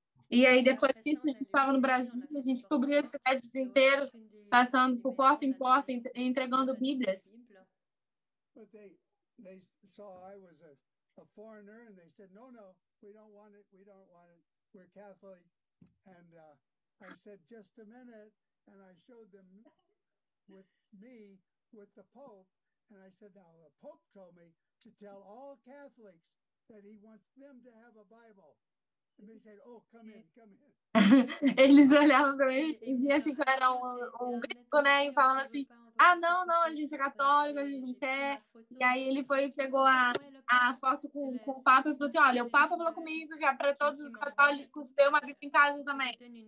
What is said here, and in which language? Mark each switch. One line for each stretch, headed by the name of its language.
Portuguese: E aí, depois disso, a gente estava no Brasil, a gente cobria as cidades inteiras, passando por porta em porta, entregando Bíblias.
English: But they saw I was a foreigner, and they said, no, we don't want it, we're Catholic. And I said, just a minute, and I showed them with me, with the Pope, and I said, now the Pope told me to tell all Catholics that he wants them to have a Bible. And they said, oh, come in.
Portuguese: Eles olhavam para mim e viam assim que eu era um gringo, né? E falavam assim, ah, não, a gente é católico, a gente não quer. E aí ele foi e pegou a foto com o Papa e falou assim, olha, o Papa falou comigo que é para todos os católicos ter uma Bíblia em casa também.